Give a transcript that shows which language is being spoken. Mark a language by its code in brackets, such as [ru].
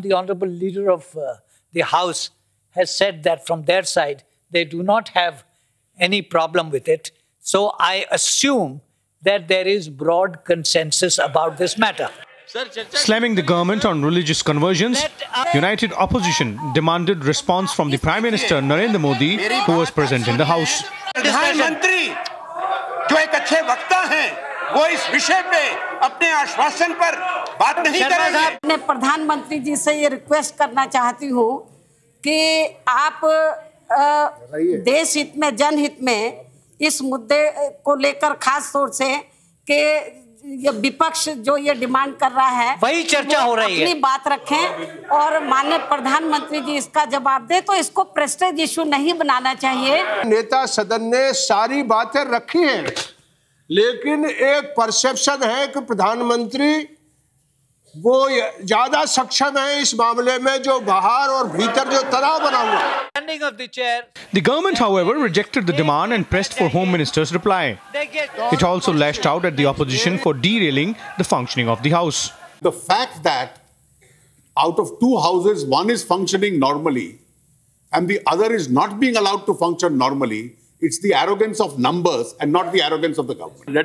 [en] The Honorable Leader of the House has said that from their side, they do not have any problem with it. So I assume that there is broad consensus about this matter. Slamming the government on religious conversions, United Opposition demanded response from the Prime Minister Narendra Modi, who was present in the House. [hi] प्रधानमंत्री जी से ये request करना चाहती हूँ कि आप देश हित में जनहित में इस मुद्दे को लेकर खास तौर से कि ये विपक्ष जो ये डिमांड कर रहा है वही चर्चा हो रही है अपनी बात रखें और माननीय प्रधानमंत्री जी इसका जवाब दे तो इसको प्रेस्टेज इश्यू नहीं बनाना चाहिए नेता सदन ने सारी बातें रखी है लेकिन एक परसेप्शन है कि प्रधानमंत्री वो ज्यादा सक्षम है इस मामले में जो बाहर और भीतर जो तनाव बना हुआ [en] The government, however, rejected the demand and pressed for Home Minister's reply. It also lashed out at the opposition for derailing the functioning of the House. The fact that out of 2 houses, one is functioning normally and the other is not being allowed to function normally, it's the arrogance of numbers and not the arrogance of the government.